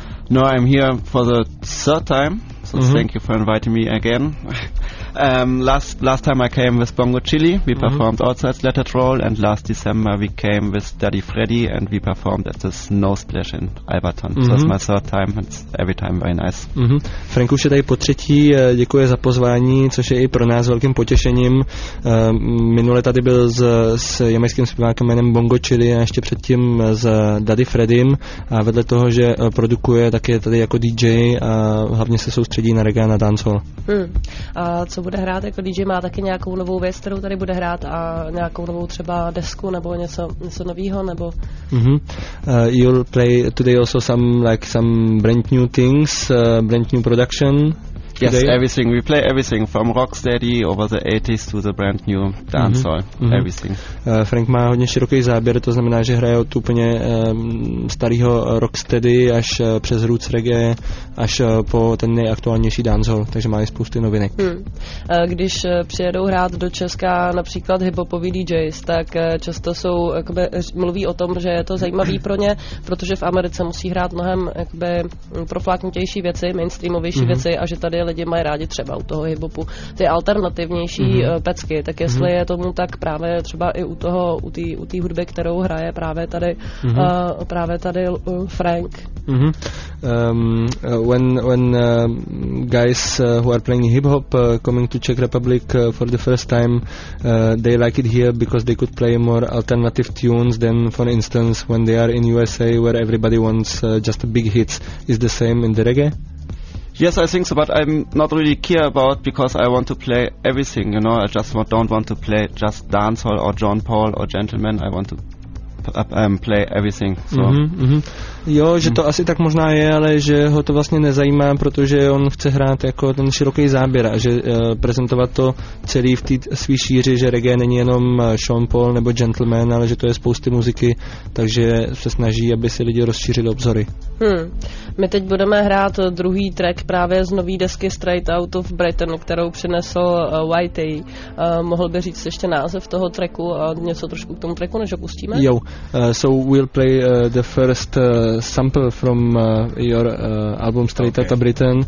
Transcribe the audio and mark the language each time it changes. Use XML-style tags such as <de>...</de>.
<en>No, I'm here for the third time, so thank you for inviting me again. last time I came with Bongo Chili, we performed outside Let It Roll, and last December we came with Daddy Freddy and we performed at the Snow Splash in Alberton. So it's my third time and it's every time very nice.</en> <cs>Frank už je tady po třetí, děkuji za pozvání, což je i pro nás velkým potěšením. Minule tady byl s jamajským zpěvákem jménem Bongo Chili a ještě předtím s Daddy Freddym a vedle toho, že produkuje, tak je tady jako DJ a hlavně se soustředí na reggae a na dancehall. Co bude hrát jako DJ, má taky nějakou novou věc, kterou tady bude hrát a nějakou novou třeba desku nebo něco novýho nebo...</cs> <en>You'll play today also some brand new things, brand new production. Yes, today? Everything. We play everything from rocksteady over the 80s to the brand new dancehall. Mm-hmm. Everything.</en> <cs>Frank má hodně široký záběr, to znamená, že hraje od úplně starého rocksteady až přes roots reggae až po ten nejaktuálnější dancehall, takže má i spousty novinek. Hmm. Když přijedou hrát do Česka například hiphopový DJs, tak často jsou jakoby, mluví o tom, že je to zajímavý pro ně, protože v Americe musí hrát mnohem jakoby, profláknutější věci, mainstreamovější věci a že tady lidi mají rádi třeba u toho hiphopu ty alternativnější pecky, tak jestli je tomu tak právě třeba i u toho, u té hudby, kterou hraje právě tady právě tady Frank. Mm-hmm.</cs> <en>When guys who are playing hip-hop coming to Czech Republic for the first time, they like it here because they could play more alternative tunes than, for instance, when they are in USA where everybody wants just big hits. Is the same in the reggae? Yes, I think so, but I'm not really care about because I want to play everything, you know. I just don't want to play just dancehall or John Paul or Gentleman. I want to play everything. So.</en> <cs>Jo, že to asi tak možná je, ale že ho to vlastně nezajímá, protože on chce hrát jako ten široký záběr a že prezentovat to celý v té svý šíři, že reggae není jenom Sean Paul nebo Gentleman, ale že to je spousty muziky, takže se snaží, aby si lidi rozšířili obzory. Hmm. My teď budeme hrát druhý track právě z nový desky Straight Out of Britain, kterou přinesl Whitey. Mohl by říct ještě název toho tracku a něco trošku k tomu tracku, než ho pustíme?</cs> <en>Jo, so we'll play the first sample from your album Straight Outta Britain.</en>